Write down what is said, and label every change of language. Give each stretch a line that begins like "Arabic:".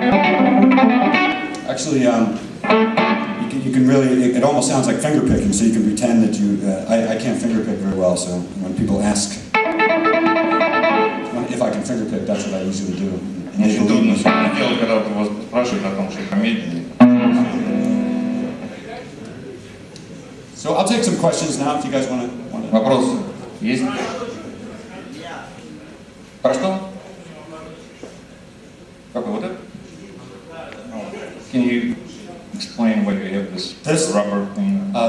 English: Actually, it almost sounds like finger picking, so you can pretend that you. I can't finger pick very well, so when people ask if I can finger pick, that's what I usually do. And they believe me.
Russian: Очень трудно делать, когда вас спрашивают о том, что я медленнее.
English: So I'll take some questions now if you guys want to.
Russian: Вопросы есть? Про что? Какой вот это?
English: Can you explain why you have this rubber thing?